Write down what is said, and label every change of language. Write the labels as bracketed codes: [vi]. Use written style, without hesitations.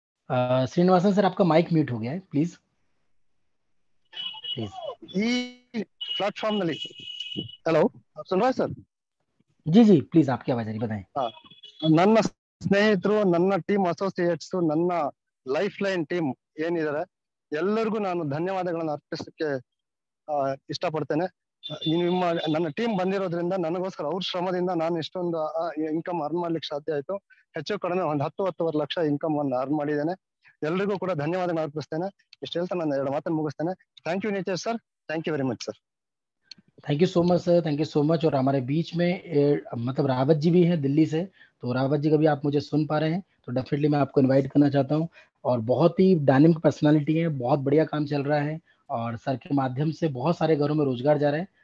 [hi] Srinivasan sir, आपका mic mute हो गया है, प्लीज प्लीज। प्लेटफॉर्म नली, हेलो, आप सुन रहे हैं सर? जी प्लीज, आपकी आवाज आ रही, बताएं। [kn] नन्ना स्नेहितरु, नन्ना टीम एसोसिएट्स, नन्ना ಲೈಫ್ ಲೈನ್ ಟೀಮ್ ಏನಿದ್ದಾರೆ ಎಲ್ಲರಿಗೂ ನಾನು ಧನ್ಯವಾದಗಳನ್ನು ಅರ್ಪಿಸಕ್ಕೆ ಇಷ್ಟಪಡ್ತೇನೆ. ನಿಮ್ಮ ನನ್ನ ಟೀಮ್ ಬಂದಿರೋದ್ರಿಂದ ನನಗೋಸ್ಕರ ಅವ್ರ ಶ್ರಮದಿಂದ ನಾನು ಇಷ್ಟೊಂದು ಇನ್ಕಮ್ ಅರ್ನ್ ಮಾಡ್ಲಿಕ್ಕೆ ಸಾಧ್ಯ ಆಯ್ತು. ಹೆಚ್ಚು ಕಡಿಮೆ ಒಂದು 10-10.5 ಲಕ್ಷ ಇನ್ಕಮ್ ಅನ್ನು ಅರ್ನ್ ಮಾಡಿದ್ದೇನೆ. ಎಲ್ರಿಗೂ ಕೂಡ ಧನ್ಯವಾದಗಳು ಅರ್ಪಿಸ್ತೇನೆ. ಇಷ್ಟ ಹೇಳ್ತಾ ನಾನು ಎರಡು ಮಾತನ್ನು ಮುಗಿಸ್ತೇನೆ. [en] Thank you nature sir, thank you very much sir. Thank you so much [hi] sir, thank you so much. और हमारे बीच में मतलब रावत जी भी हैं दिल्ली से, तो रावत जी कभी आप मुझे सुन पा रहे हैं तो डेफिनेटली मैं आपको इनवाइट करना चाहता हूं. और बहुत ही डायनेमिक पर्सनालिटी है, बहुत बढ़िया काम चल रहा है और सर के माध्यम से बहुत सारे घरों में रोजगार जा रहे हैं.